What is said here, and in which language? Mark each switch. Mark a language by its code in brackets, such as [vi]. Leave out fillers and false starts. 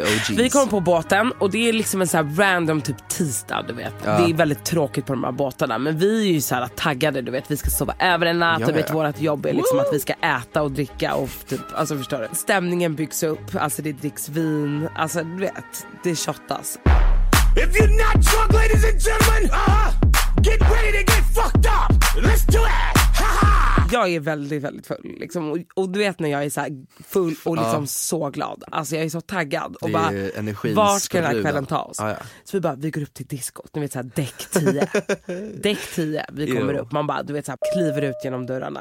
[sv] Vi kommer på båten och det är liksom en så här random typ tisdag, du vet. Ja. Det är väldigt tråkigt på de här båtarna, men vi är ju så här taggade, du vet. Vi ska sova över en natt, ja, du vet, ja. Vårt jobb är liksom att vi ska äta och dricka och typ, alltså förstår du. Stämningen byggs upp, alltså det dricks vin, alltså du vet, det shottas. [en] If you're not drunk, ladies and gentlemen, get ready to get fucked up. Let's do it. [sv] Jag är väldigt, väldigt full liksom. Och du vet när jag är så här full och liksom så glad. Alltså jag är så taggad. Och bara, vart ska den här kvällen ta oss? Så vi bara, vi går upp till diskot. Ni vet såhär, däck 10. Däck 10, vi kommer upp. Man bara, du vet så här, kliver ut genom dörrarna.